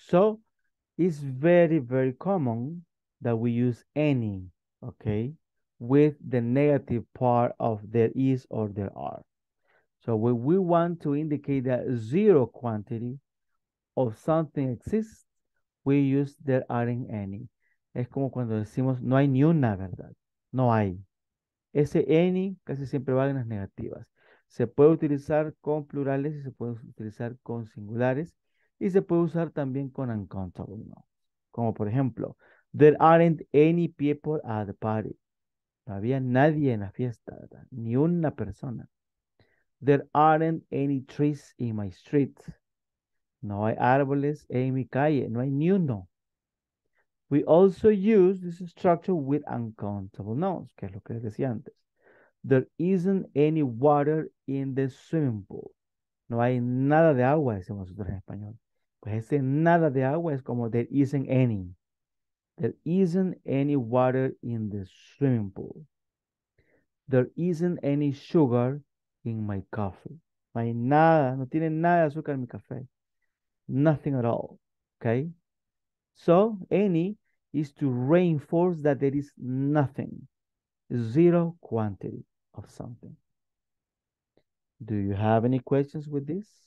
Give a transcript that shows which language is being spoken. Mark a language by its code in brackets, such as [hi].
[en] So it's very, very common that we use any, okay, with the negative part of there is or there are. So when we want to indicate that zero quantity of something exists, we use there aren't any. [es] Es como cuando decimos no hay ni una, ¿verdad? No hay. Ese any casi siempre va en las negativas. Se puede utilizar con plurales y se puede utilizar con singulares. Y se puede usar también con [en] uncountable nouns. [es] Como por ejemplo, [en] there aren't any people at the party. [es] No había nadie en la fiesta, ¿verdad? Ni una persona. [en] There aren't any trees in my street. [es] No hay árboles en mi calle. No hay ni uno. [en] We also use this structure with uncountable nouns, [es] que es lo que les decía antes. [en] There isn't any water in the swimming pool. [es] No hay nada de agua, decimos nosotros en español. Pues ese nada de agua es como [en] there isn't any. There isn't any water in the swimming pool. There isn't any sugar in my coffee. [es] No hay nada, no tiene nada de azúcar en mi café. [en] Nothing at all. Okay? So, any is to reinforce that there is nothing. Zero quantity of something. Do you have any questions with this?